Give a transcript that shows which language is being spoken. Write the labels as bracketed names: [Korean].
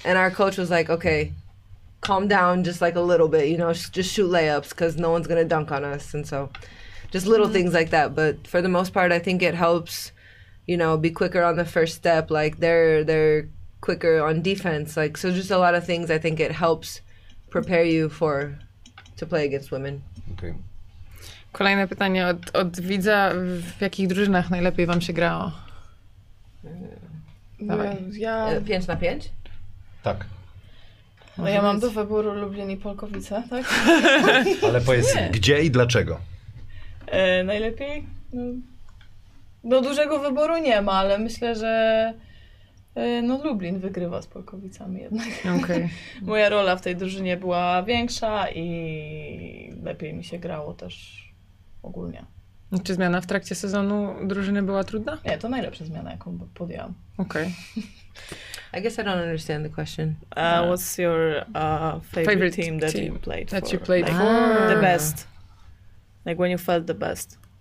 [English] And our coach was like, okay, calm down just like a little bit, you know, just shoot layups because no one's going to dunk on us. And so just little things like that. But for the most part, I think it helps, you know, be quicker on the first step. Like they're quicker on defense. Like, so just a lot of things. I think it helps prepare you for to play against women. Okay. [Polish] Kolejne pytanie od widza. W jakich drużynach najlepiej wam się grało? Dawaj. Ja... 5 na 5? Tak. No ja mam do wyboru Lublin i Polkowice, tak? Ale powiedz, gdzie i dlaczego? Najlepiej? No dużego wyboru nie ma, ale myślę, że no Lublin wygrywa z Polkowicami jednak. Okay. Moja rola w tej drużynie była większa i lepiej mi się grało też ogólnie. Czy zmiana w trakcie sezonu drużyny była trudna? Nie, to najlepsza zmiana, jaką podjęłam. Okej. [English] Okay. I guess I don't understand the question. What's your favorite team that you played that for? That you played like for? The best. Like when you felt the best.